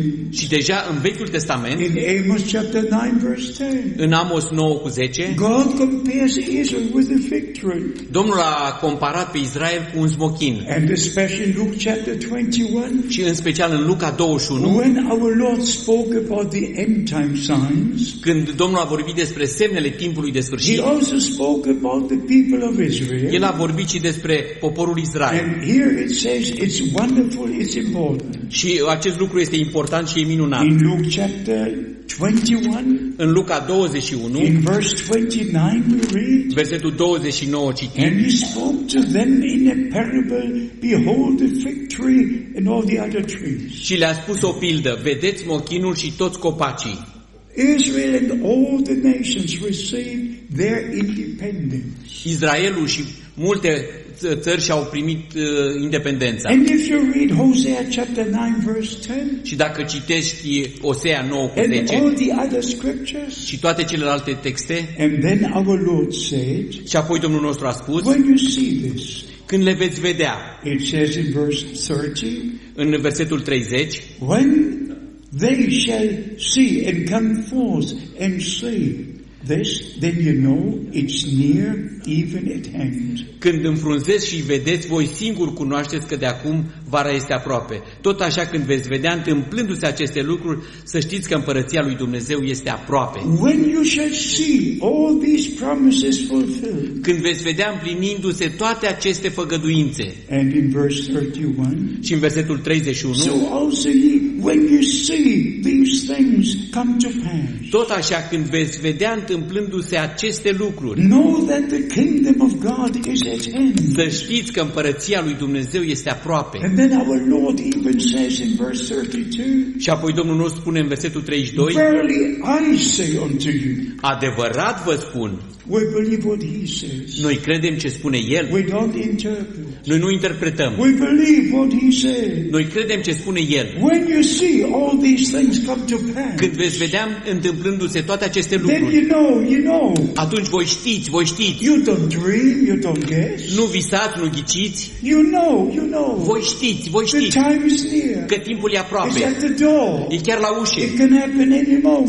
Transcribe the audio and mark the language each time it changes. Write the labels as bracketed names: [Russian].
[Romanian] Și deja în Vechiul Testament, [English] in Amos chapter 9 verse 10, [Romanian] în Amos 9 cu 10, [English] God compares Israel with the fig tree. [Romanian] Domnul a comparat pe Israel cu un smochin. [English] And especially Luke chapter 21, [Romanian] și în special în Luca 21, [English] when our Lord spoke about the end time signs, [Romanian] când Domnul a vorbit despre semnele timpului de sfârșit, [English] he also spoke about the people of Israel. [Romanian] El a vorbit și despre poporul Israel. [English] And here it says it's wonderful, it's important. [Romanian] Și acest lucru este important și e minunat. [English] In Luke chapter 21, [Romanian] în Luca 21, [English] in verse 29 we read, [Romanian] versetul 29 citim, [English] and he spoke to them in a parable, behold the fig tree and all the other trees. [Romanian] Și le-a spus o pildă, vedeți mochinul și toți copacii. [English] Israel and all the nations received their independence. [Romanian] Israelul și multe țări și-au primit independența. [English] And if you read Hosea chapter 9 verse 10, [Romanian] și dacă citești Osea 9:10, [English] and all the other scriptures, [Romanian] și toate celelalte texte, [English] and then our Lord said, [Romanian] și apoi Domnul nostru a spus, [English] when you see this, [Romanian] când le veți vedea, [English] it says in verse 30, [Romanian] în versetul 30, [English] when they shall see and come forth and say this, then you know it's near, even at hand. [Romanian] Când înfrunzeți și vedeți, voi singuri cunoașteți că de acum vara este aproape. Tot așa când veți vedea întâmplându-se aceste lucruri, să știți că împărăția lui Dumnezeu este aproape. [English] When you shall see all these promises fulfilled, [Romanian] când veți vedea împlinindu-se toate aceste făgăduințe. [English] And in verse 31, [Romanian] și în versetul 31, [English] so also ye, when you see these things come to pass, [Romanian] tot așa când veți vedea întâmplându-se aceste lucruri, [English] know that the kingdom of God is at hand. [Romanian] Să știți că împărăția lui Dumnezeu este aproape. [English] And then our Lord even says in verse 32, [Romanian] și apoi Domnul nostru spune în versetul 32, [English] verily I say unto you, [Romanian] adevărat vă spun, [English] we believe what he says. [Romanian] Noi credem ce spune El. [English] We don't interpret. [Romanian] Noi nu interpretăm. [English] We believe what he says. [Romanian] Noi credem ce spune El. [English] When you see all these things come to pass, [Romanian] când veți vedea întâmplându-se toate aceste lucruri, [English] then you know, you know. [Romanian] Atunci voi știți, voi știți. [English] You don't dream, you don't guess. [Romanian] Nu visați, nu ghiciți. [English] You know, you know. [Romanian] Voi știți, voi știți. [English] The time is near. [Romanian] Că timpul e aproape. [English] It's at the door. [Romanian] E chiar la ușă. [English] It can happen any moment.